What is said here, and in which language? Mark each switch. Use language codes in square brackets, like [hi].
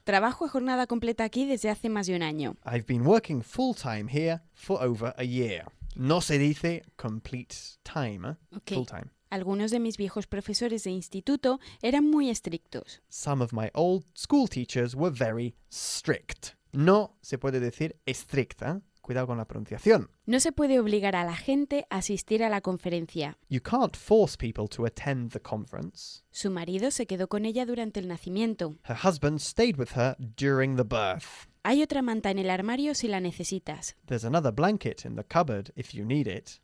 [es] Trabajo a jornada completa aquí desde hace más de un año. [en] I've been working full time here for over a year. [es] No se dice [en] complete time, okay. Full time. [es] Algunos de mis viejos profesores de instituto eran muy estrictos. [en] Some of my old school teachers were very strict. [es] No se puede decir estricta. Cuidado con la pronunciación. No se puede obligar a la gente a asistir a la conferencia. [en] You can't force people to attend the conference. [es] Su marido se quedó con ella durante el nacimiento. [en] Her husband stayed with her during the birth. [es] Hay otra manta en el armario si la necesitas. [en] There's another blanket in the cupboard if you need it.